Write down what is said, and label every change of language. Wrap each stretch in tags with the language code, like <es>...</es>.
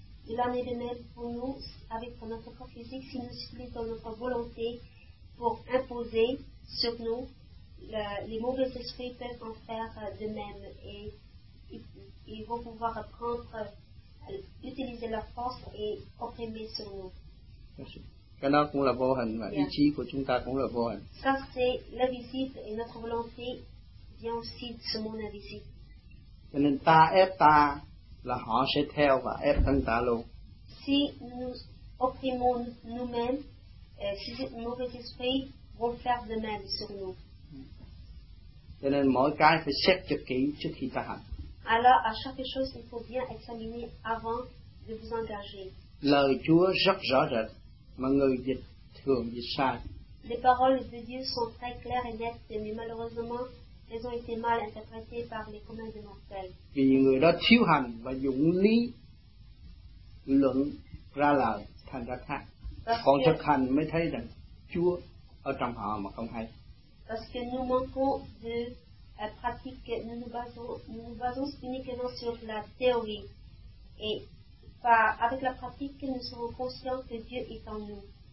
<fr>Il en est de même pour nous avec notre corps physique si nous suivons notre volonté pour imposer sur nous. Les mauvais esprits peuvent en faire de même et ils vont pouvoir prendre, utiliser leur force et opprimer sur nous.</fr> <vi>Cái đó cũng là vô hình mà ý chí của chúng ta cũng là vô hình.</vi> <fr>Ça c'est l'invisible et notre volonté vient aussi de ce monde invisible.</fr> <vi>Cho nên ta ép ta là họ sẽ theo và ép thân ta luôn.</vi> <fr>Si nous opprimons nous-mêmes, si ces mauvais esprits vont faire de même sur nous.</fr> <vi>Cho nên mỗi cái phải xét cho kỹ trước khi ta hành.</vi> <fr>Alors, à chaque chose, il faut bien examiner avant de vous engager.</fr> <vi>Lời Chúa rất rõ rệt, mà người dịch thường dịch sai.</vi> <fr>Les paroles de Dieu sont très claires et nettes, mais malheureusement, elles ont été mal interprétées par les communs des mortels.</fr> <vi>Vì người đó thiếu hành và dùng lý luận ra lời thành ra khác. Còn thực hành mới thấy rằng Chúa ở trong họ mà không hay.</vi> <fr>Parce que nous manquons de pratique, nous nous basons uniquement sur la théorie. Et pas avec la pratique, nous serons conscients que Dieu est en nous.</fr>